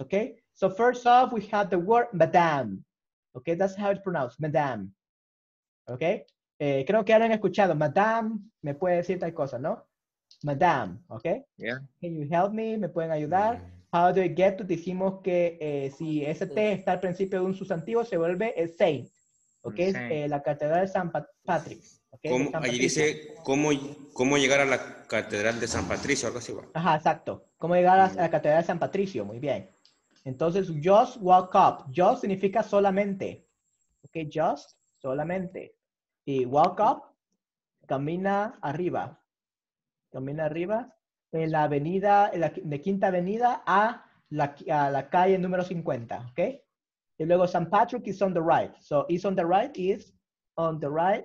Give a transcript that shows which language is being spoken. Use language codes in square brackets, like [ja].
[en] Okay, so first off, we have the word madame. Okay, that's how it's pronounced, madame. [es] Okay, creo que han escuchado, madame, me puede decir tal cosa, ¿no? [en] Madam, okay? Yeah. Can you help me? [es] ¿Me pueden ayudar? [en] How do I get to? [es] Dijimos que si ese T está al principio de un sustantivo, se vuelve el saint. Okay? Saint. La catedral de San Patrick. [en] Okay? [es] ¿Cómo, San allí Patricio. Dice cómo llegar a la catedral de San Patricio, algo así igual. Ajá, exacto. ¿Cómo llegar a la catedral de San Patricio? Muy bien. Entonces, [en] just walk up. [es] Just significa solamente. Okay, just, solamente. Y walk up, camina arriba. Camina arriba, en la avenida, en la, de quinta avenida a la calle número 50, ¿ok? Y luego [en] San Patrick is on the right. So is on the right is on the right.